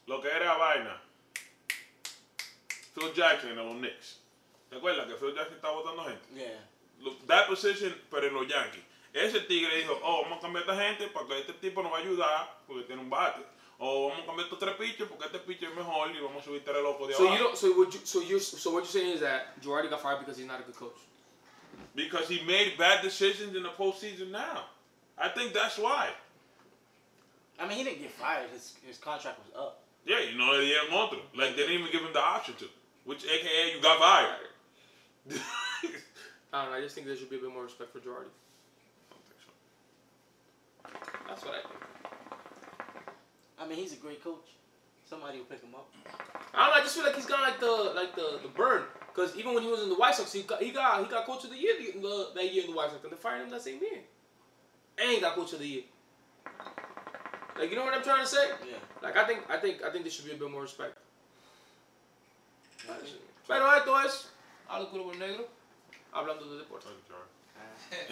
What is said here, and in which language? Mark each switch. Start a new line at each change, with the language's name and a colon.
Spanish: Lo que era vaina. Phil Jackson en los Knicks. ¿Te acuerdas que Phil Jackson estaba votando gente?
English: Yeah. That position,
Spanish: pero en los Yankees. Ese tigre dijo, vamos a cambiar a esta gente porque este tipo nos va a ayudar porque tiene un bate. O vamos a cambiar estos tres pitchers porque este pitcher es mejor y vamos a subir tres locos de abajo.
English: So what you're saying is that Girardi got fired because he's not a good coach? Because he made bad decisions in the postseason now. I think that's why. I mean, he didn't get fired. His contract was up. Yeah, you know, they didn't want to. Like, they didn't even give him the option to. Which, a.k.a., you got fired. I don't know. I just think there should be a bit more respect for Girardi. I don't think so. That's what I think. I mean, he's a great coach. Somebody will pick him up. I don't know. I just feel like he's got, like the burn. Because even when he was in the White Sox, he got coach of the year that year in the White Sox. And they fired him that same year. And he got coach of the year. Like, you know what I'm trying to say? Yeah. Like, I think there should be a bit more respect.
Spanish: Pero esto es Oscuro con Negro, hablando de deportes.